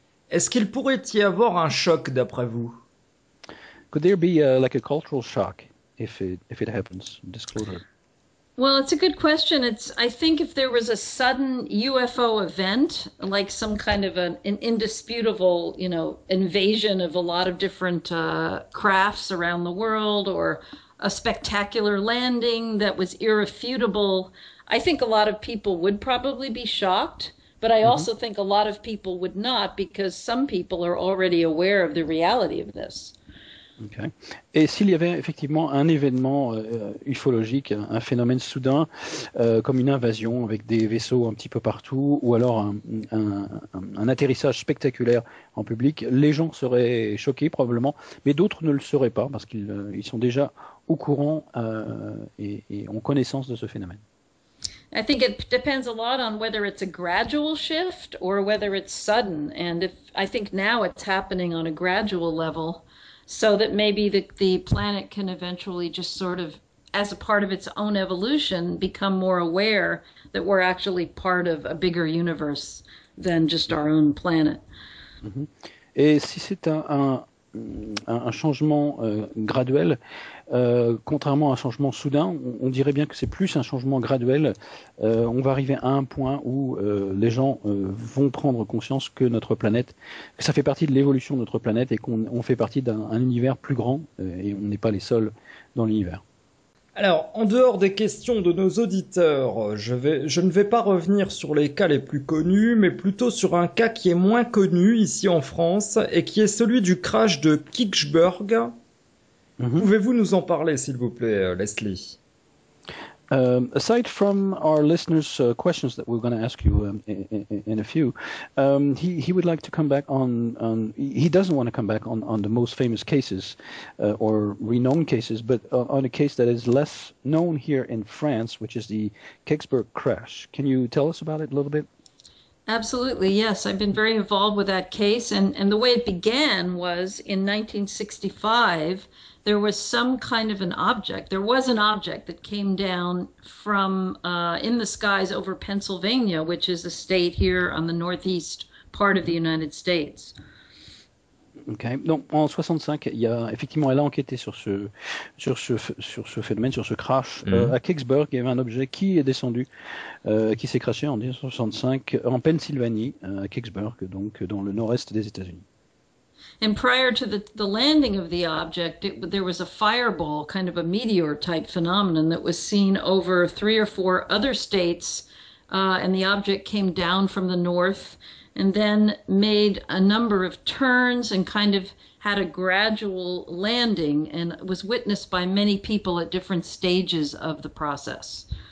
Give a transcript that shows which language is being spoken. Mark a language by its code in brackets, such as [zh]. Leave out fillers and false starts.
[fr] Est-ce qu'il pourrait y avoir un choc d'après vous? [en] Could there be like a cultural shock if it happens, disclosure? Well, it's a good question. I think if there was a sudden UFO event, like some kind of an indisputable, invasion of a lot of different crafts around the world, or a spectacular landing that was irrefutable, I think a lot of people would probably be shocked. But I also think a lot of people would not, because some people are already aware of the reality of this. [fr] Et s'il y avait effectivement un événement ufologique, un phénomène soudain, comme une invasion avec des vaisseaux un petit peu partout, ou alors un atterrissage spectaculaire en public, les gens seraient choqués probablement, mais d'autres ne le seraient pas parce qu'ils ils sont déjà au courant et ont connaissance de ce phénomène. [en] I think it depends a lot on whether it's a gradual shift or whether it's sudden. And if I think now it's happening on a gradual level, so that maybe the planet can eventually just sort of, as a part of its own evolution, become more aware that we're actually part of a bigger universe than just our own planet. [fr] Et si c'est un changement graduel, contrairement à un changement soudain, on dirait bien que c'est plus un changement graduel. On va arriver à un point où les gens vont prendre conscience que notre planète, que ça fait partie de l'évolution de notre planète et qu'on fait partie d'un univers plus grand et on n'est pas les seuls dans l'univers. Alors, en dehors des questions de nos auditeurs, je ne vais pas revenir sur les cas les plus connus, mais plutôt sur un cas qui est moins connu ici en France et qui est celui du crash de Kirchberg. Pouvez-vous nous en parler, s'il vous plaît, Leslie? [en] Aside from our listeners' questions that we're going to ask you in a few, he would like to come back on. He doesn't want to come back on the most famous cases or renowned cases, but on a case that is less known here in France, which is the Kecksburg crash. Can you tell us about it a little bit? Absolutely, yes. I've been very involved with that case. And the way it began was in 1965, there was some kind of an object. There was an object that came down from in the skies over Pennsylvania, which is a state here on the northeast part of the United States. Okay. [fr] Donc en 65, effectivement, elle a enquêté sur ce phénomène, sur ce crash. À Kecksburg, il y avait un objet qui est descendu, qui s'est crashé en 1965 en Pennsylvanie, à Kecksburg, donc dans le nord-est des États-Unis. [en] And prior to the landing of the object, there was a fireball, kind of a meteor type phenomenon that was seen over three or four other states, and the object came down from the north and then made a number of turns and kind of had a gradual landing and was witnessed by many people at different stages of the process.